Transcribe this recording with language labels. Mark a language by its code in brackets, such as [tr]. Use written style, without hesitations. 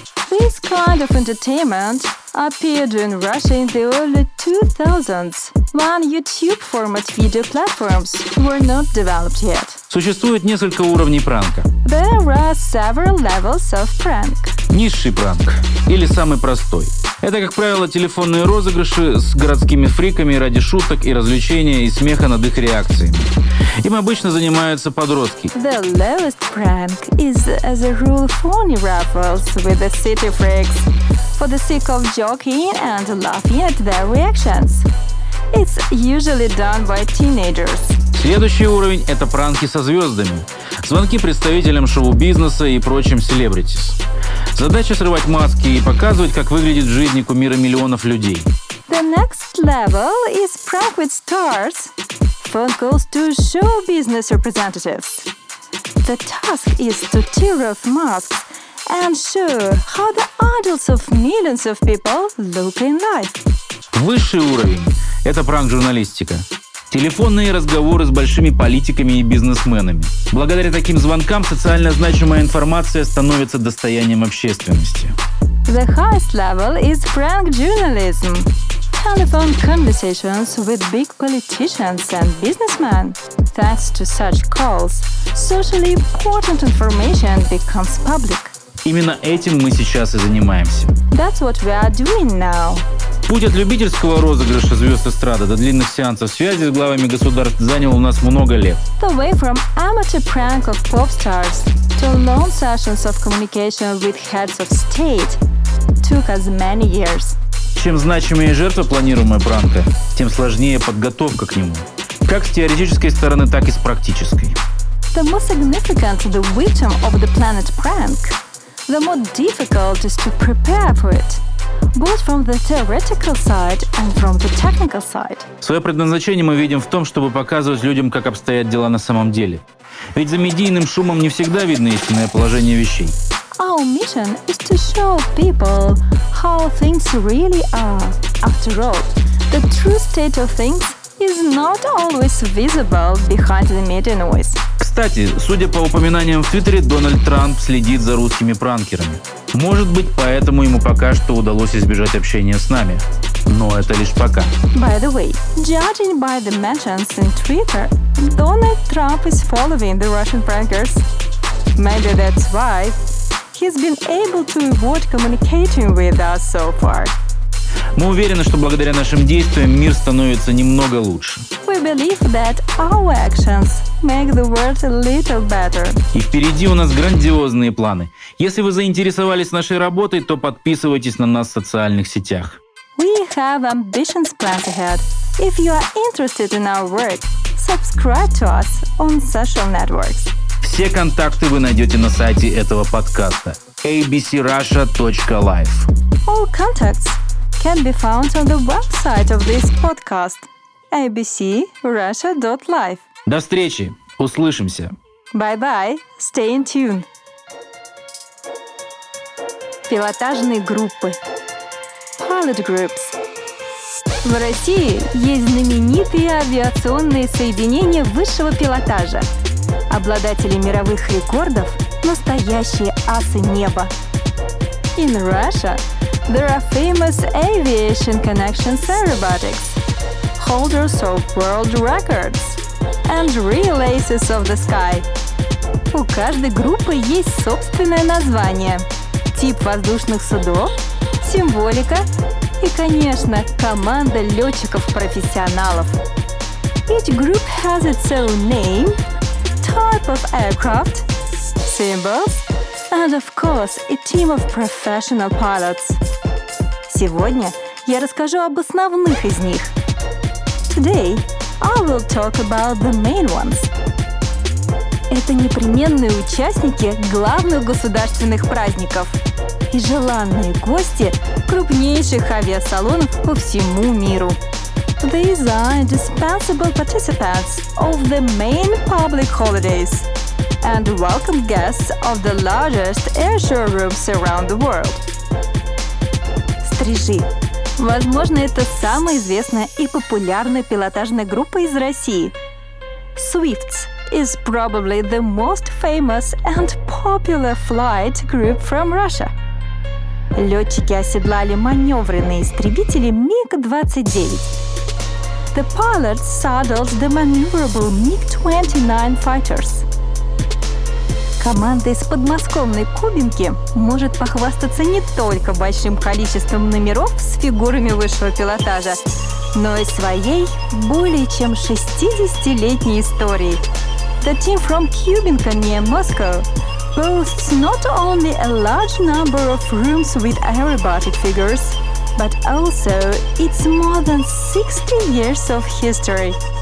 [en] This kind of entertainment appeared in Russia in the early 2000s, when YouTube format video platforms were not developed yet. [ru] Существует несколько уровней пранка. [en] There are several levels of prank. [ru] Низший пранк, или самый простой. Это, как правило, телефонные розыгрыши с городскими фриками ради шуток и развлечения и смеха над их реакциями. Им обычно занимаются подростки. [en] The lowest prank is, as a rule, phony raffles with the city freaks for the sake of joking and laughing at their reactions. It's usually done by teenagers. [ru] Следующий уровень – это пранки со звездами. Звонки представителям шоу-бизнеса и прочим селебритис. Задача – срывать маски и показывать, как выглядит жизнь кумира миллионов людей. [en] The next level is prank with stars. Phone calls to show-business representatives. The task is to tear off masks and show how the idols of millions of people look in life. [ru] Высший уровень – это пранк-журналистика. Телефонные разговоры с большими политиками и бизнесменами. Благодаря таким звонкам социально значимая информация становится достоянием общественности. [en] The highest level is prank journalism. Telephone conversations with big politicians and businessmen. Thanks to such calls, socially important information becomes public. [ru] Именно этим мы сейчас и занимаемся. [en] That's what we are doing now. [ru] Путь от любительского розыгрыша звезд эстрады до длинных сеансов связи с главами государств занял у нас много лет. [en] The way from amateur prank of pop stars to long sessions of communication with heads of state took us many years. [ru] Чем значимее жертва планируемой пранка, тем сложнее подготовка к нему. Как с теоретической стороны, так и с практической. [en] The more significant the victim of the planned prank, the more difficult it is to prepare for it. both from the theoretical side and from the technical side. [ru] Своё предназначение мы видим в том, чтобы показывать людям, как обстоят дела на самом деле. Ведь за медийным шумом не всегда видно истинное положение вещей. [en] Our mission is to show people how things really are. After all, the true state of things is not always visible behind the media noise. [ru] Кстати, судя по упоминаниям в Твиттере, Дональд Трамп следит за русскими пранкерами. Может быть, поэтому ему пока что удалось избежать общения с нами. Но это лишь пока. [en] By the way, judging by the mentions in Twitter, Donald Trump is following the Russian prankers. Maybe that's why he's been able to avoid communicating with us so far. [ru] Мы уверены, что благодаря нашим действиям мир становится немного лучше. [en] We believe that our actions make the world a little better. [ru] И впереди у нас грандиозные планы. Если вы заинтересовались нашей работой, то подписывайтесь на нас в социальных сетях. [en] We have ambitions planned ahead. If you are interested in our work, subscribe to us on social networks. [ru] Все контакты вы найдете на сайте этого подкаста abcrussia.life. [en] All contacts can be found on the website of this podcast abcrussia.life. [ru] До встречи! Услышимся! [en] Bye-bye! Stay in tune! [ru] Пилотажные группы. [en] Pilot groups. [ru] В России есть знаменитые авиационные соединения высшего пилотажа. Обладатели мировых рекордов – настоящие асы неба. [en] In Russia, there are famous aviation connections aerobatics, holders of world records, and real aces of the sky. [ru] У каждой группы есть собственное название, тип воздушных судов, символика и, конечно, команда летчиков-профессионалов. [en] Each group has its own name, type of aircraft, symbols, and of course, a team of professional pilots. [ru] Сегодня я расскажу об основных из них. [en] Today I will talk about the main ones. [ru] Это непременные участники главных государственных праздников и желанные гости крупнейших авиасалонов по всему миру. [en] These are indispensable participants of the main public holidays and welcome guests of the largest air showrooms around the world. [ru] Стрижи. Возможно, это самая известная и популярная пилотажная группа из России. [en] Swifts is probably the most famous and popular flight group from Russia. [ru] Летчики оседлали маневренные истребители МиГ-29. [en] The pilots saddled the maneuverable МиГ-29 fighters. [ru] Команда из подмосковной Кубинки может похвастаться не только большим количеством номеров с фигурами высшего пилотажа, но и своей более чем 60-летней историей. [en] The team from Kubinka near Moscow boasts not only a large number of rooms with aerobatic figures, but also it's more than 60 years of history.